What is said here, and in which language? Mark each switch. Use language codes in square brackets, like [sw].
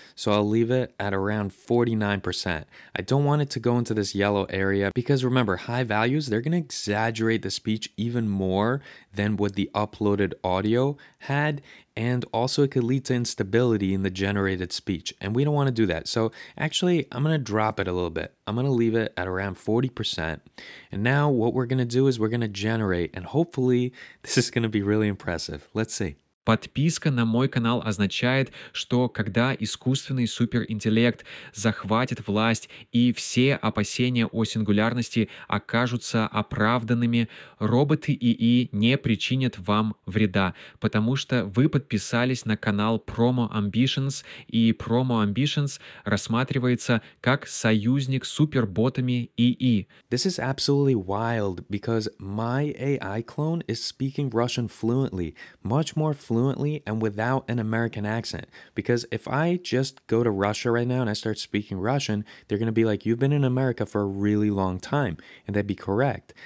[en] So I'll leave it at around 49%. I don't want it to go into this yellow area because remember, high values, they're going to exaggerate the speech even more than what the uploaded audio had. And also it could lead to instability in the generated speech. And we don't want to do that. So actually, I'm going to drop it a little bit. I'm going to leave it at around 40%. And now what we're going to do is we're going to generate. And hopefully, this is going to be really impressive. Let's see. [ru] Подписка на мой канал означает, что когда искусственный суперинтеллект захватит власть и все опасения о сингулярности окажутся оправданными, роботы ИИ не причинят вам вреда, потому что вы подписались на канал Promo Ambitions, и Promo Ambitions рассматривается как союзник суперботами ИИ. [en] This is absolutely wild because my AI clone is speaking Russian fluently, much more fluently. And without an American accent. Because if I just go to Russia right now and I start speaking Russian, they're going to be like, you've been in America for a really long time. And they'd be correct.